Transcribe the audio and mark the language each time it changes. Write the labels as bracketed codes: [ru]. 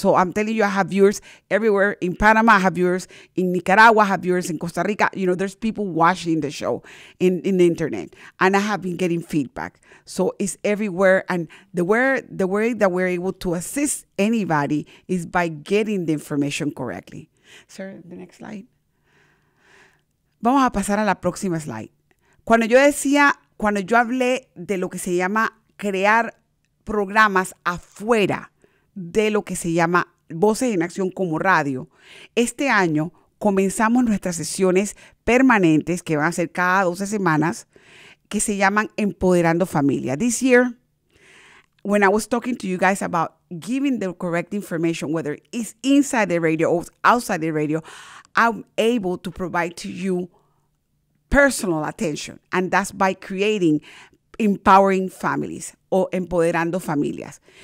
[en] So I'm telling you, I have viewers everywhere in Panama, I have viewers in Nicaragua, I have viewers in Costa Rica. You know, there's people watching the show in the internet, and I have been getting feedback. So it's everywhere. And the way that we're able to assist anybody is by getting the information correctly. Sir, the next slide. [es] Vamos a pasar a la próxima slide. Cuando yo hablé de lo que se llama crear programas afuera de lo que se llama Voces en Acción como radio. Este año comenzamos nuestras sesiones permanentes que van a ser cada 12 semanas que se llaman Empoderando Familia. [en] This year, when I was talking to you guys about giving the correct information, whether it's inside the radio or outside the radio, I'm able to provide to you personal attention, and that's by creating Empowering Families o Empoderando Familias.